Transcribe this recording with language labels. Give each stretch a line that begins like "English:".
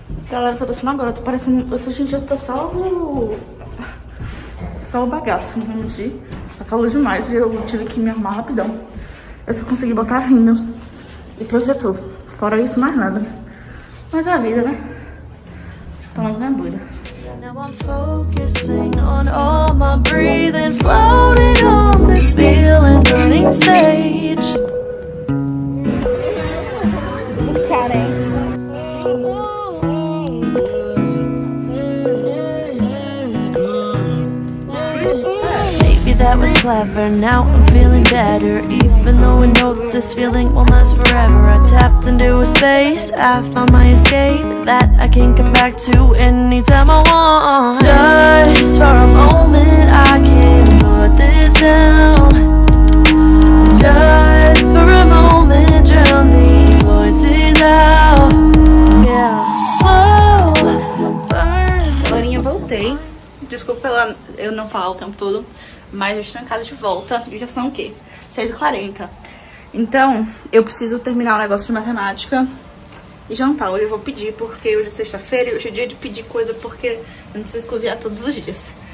Portuguese: Galera, tô descendo agora, tô parecendo... Só o bagaço, não entendi. Tá calor demais e eu tive que me arrumar rapidão. Eu só consegui botar rímel e projetor. Fora isso, mais nada. Mas é a vida, né?
English: Now I'm focusing on all my breathing, floating on this feeling, burning sage. Maybe that was clever. Now I'm feeling better. Even though I know that this feeling won't last forever, I tapped into a space. I found my escape that I can come back to anytime I want. Just for a moment, I can put this down. Just for a moment, drown these voices out. Yeah, slow burn.
Portuguese: Galerinha, voltei. Desculpa pela eu não falar o tempo todo, mas eu estou em casa de volta e já são o quê? 6h40. Então, eu preciso terminar o negócio de matemática e jantar. Hoje eu vou pedir, porque hoje é sexta-feira e hoje é dia de pedir coisa, porque eu não preciso cozinhar todos os dias.